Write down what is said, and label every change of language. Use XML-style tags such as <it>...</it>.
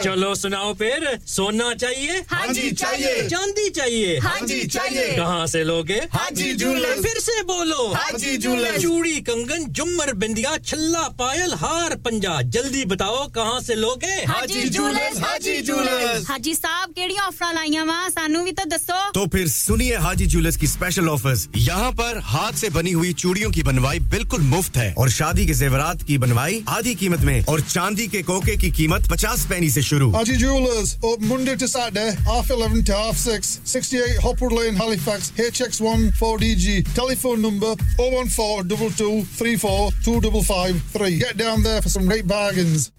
<ur>چلو سناؤ پھر سونا چاہیے ہاں جی چاہیے چاندی چاہیے ہاں جی چاہیے کہاں سے لوگے ہاں جی جولر پھر سے بولو ہاں جی جولر چوڑی کنگن جمر بندیا چھلا پائل ہار پنجا جلدی بتاؤ کہاں سے لوگے ہاں جی جولر ہاں جی جولر</ur> <pa>ہاں جی صاحب کیڑی آفر لائیاں وہاں سانوں بھی تو دسو</pa> <ur>تو پھر سنیے حاجی جولرز کی اسپیشل آفرز یہاں پر ہاتھ سے بنی ہوئی چوڑیوں کی بنوائی بالکل مفت ہے اور شادی کے زیورات کی بنوائی آدھی قیمت میں اور چاندی کے کوکے کی قیمت 50 پینی سے شروع حاجی jewellers open Monday to Saturday half 11 to half 6 68 ہاپورڈ lane Halifax HX1 4DG tele phone number 01422342553</ur> <en>get down there for some great bargains</en>